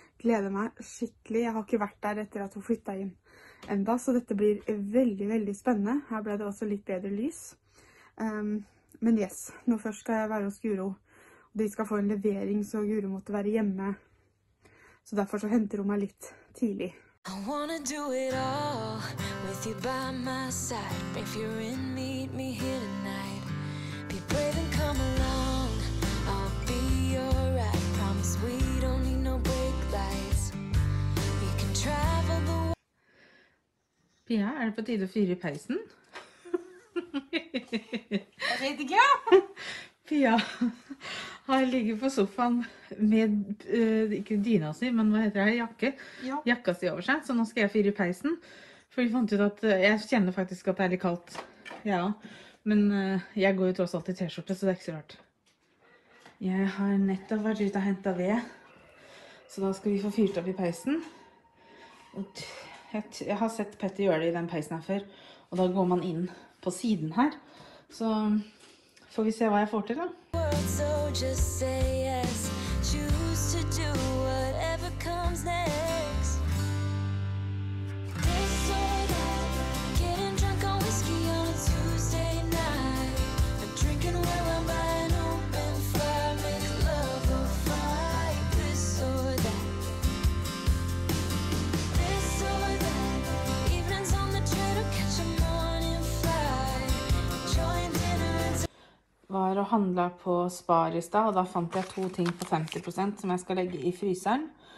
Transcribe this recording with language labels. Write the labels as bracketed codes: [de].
[no] Gleder meg skikkelig. Jeg har ikke vært der etter at hun flyttet inn enda. Så dette blir veldig, veldig spennende. Her ble det også litt bedre lys. Men yes, nå først skal jeg være hos Guru. De skal få en levering, så Guru måtte være hjemme. Så derfor så henter hun meg litt tidlig. [en] I wanna do it all with you by my side. If you're in, meet me here tonight. Be brave and come along, I'll be your ride. Promise we don't need no brake lights. We can travel the world. [no] Pia, er det på tide å fyre i peisen? Jeg vet ikke, ja. Pia, han ligger på sofaen med, ikke dyna si, men hva heter det, jakke. Ja. Jakka si over seg, så nå skal jeg fyre i peisen. For vi fant ut at, jeg kjenner faktisk at det er litt kaldt, ja. Men jeg går jo tross alt i t-skjorte, så det er ikke så rart. Jeg har nettopp vært ute og hentet ved, så da skal vi få fyrt opp i peisen. Jeg har sett Petter gjøre det i den peisen her før, og da går man inn på siden her. Så får vi se hva jeg får til da. [en] Just say yes, choose to do whatever comes next. This or that, getting drunk on whiskey on a Tuesday night. I'm drinking while I'm by an open fire, make love or fight. This or that, this or that, evenings on the train or catch a morning flight. Join dinner and [no] var å handle på Spar i stad, og da fant jeg to ting på 50% som jeg skal legge i fryseren.